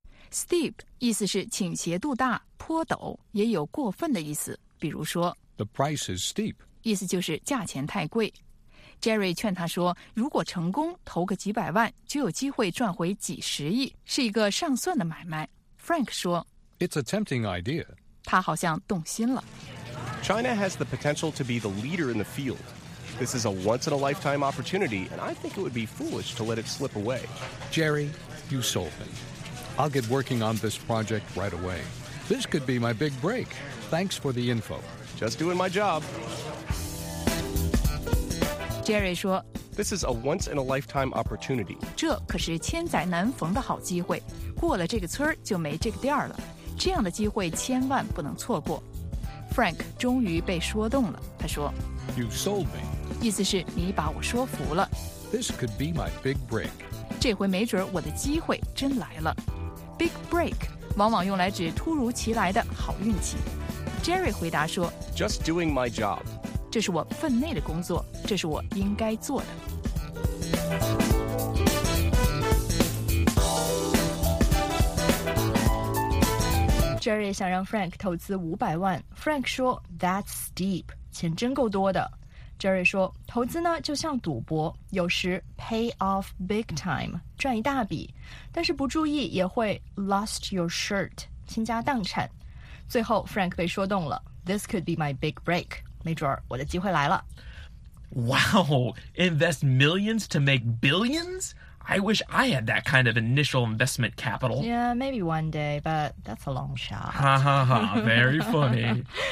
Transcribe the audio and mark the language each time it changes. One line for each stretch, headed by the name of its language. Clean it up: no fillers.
Chinese: Steep 意思是倾斜度大、坡陡，也有过分的意思。比如说
English: The price is steep.
Chinese: 意思就是价钱太贵。 Jerry 劝他说，如果成功，投个几百万，就有机会赚回几十亿，是一个上算的买卖。 Frank 说
English: It's a tempting idea.
Chinese: 他好像动心了。
English: China has the potential to be the leader in the field. This is a once-in-a-lifetime opportunity, and I think it would be foolish to let it slip away. Jerry, you sold me. I'll get working on this project right away. This could be my big break. Thanks for the info. Just doing my job.
Chinese: Jerry 说
English: This is a once-in-a-lifetime opportunity.
Chinese: 这可是千载难逢的好机会。过了这个村就没这个店了。这样的机会千万不能错过。Frank 终于被说动了。他说
English: You sold me.
Chinese: 意思是你把我说服了。
English: This could be my big break.
Chinese: 这回没准我的机会真来了。Big break 往往用来指突如其来的好运气。 Jerry 回答说
English: Just doing my job.
Chinese: 这是我分内的工作，这是我应该做的。 Jerry 想让 Frank 投资500万 ，Frank 说
English: That's steep，
Chinese: 钱真够多的。 Jerry 说，投资呢就像赌博，有时
English: pay off big time，
Chinese: 赚一大笔，但是不注意也会
English: lost your shirt，
Chinese: 倾家荡产。最后 Frank 被说动了
English: ，This could be my big break。
Chinese: 没准儿我的机会来了。
English: Wow, invest millions to make billions? I wish I had that kind of initial investment capital. Yeah, maybe one day, but that's a long shot. Ha ha ha, very funny.